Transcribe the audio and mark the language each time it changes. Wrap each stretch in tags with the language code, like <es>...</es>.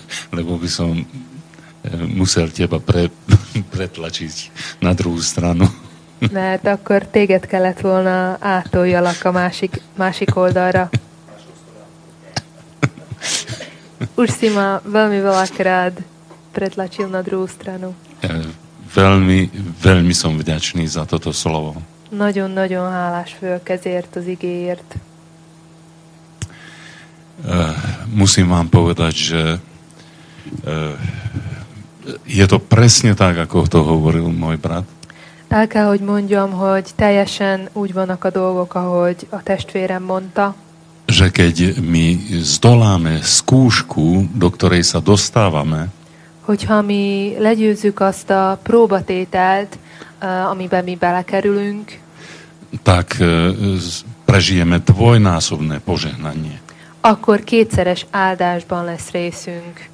<sk>Lebo by som musel teba pretlačiť na druhú stranu.</sk> <hu>Mert akkor téged kellett volna átoljalak a másik oldalra.</hu> <sk>Ursima, veľmi veľakrát pretlačil na druhú stranu. Veľmi, veľmi som vďačný za toto slovo.</sk> <hu>Nagyon-nagyon hálás vagyok ezért az igéért.</hu> <sk>Musím vám povedať, že je to presne tak, ako to hovoril môj brat.</sk> <hu>El kell, hogy mondjam, hogy teljesen úgy vannak a dolgok, ahogy a testvérem mondta.</hu> <sk>Že keď mi zdoláme skúšku, do ktorej sa dostávame,</sk> <hu>hogyha mi legyőzzük azt a próbatételt, amiben mi belekerülünk,</hu> <sk>tak prežijeme dvojnásobné požehnanie.</sk> <hu>Akkor kétszeres áldásban lesz részünk.</hu>